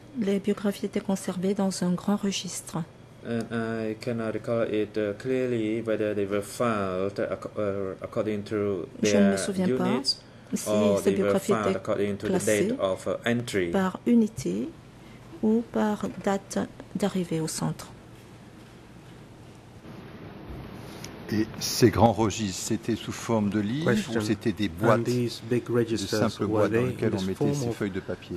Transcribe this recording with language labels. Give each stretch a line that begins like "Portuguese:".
French: Les biographies étaient conservées dans un grand registre.
English: And I cannot recall it clearly whether they were filed according to their units or they were filed according to the date of entry.
French: Par unité ou par date d'arrivée au centre. Et ces grands registres, c'était sous forme de livres ou c'était des boîtes, des simples boîtes dans lesquelles on mettait ces feuilles de papier?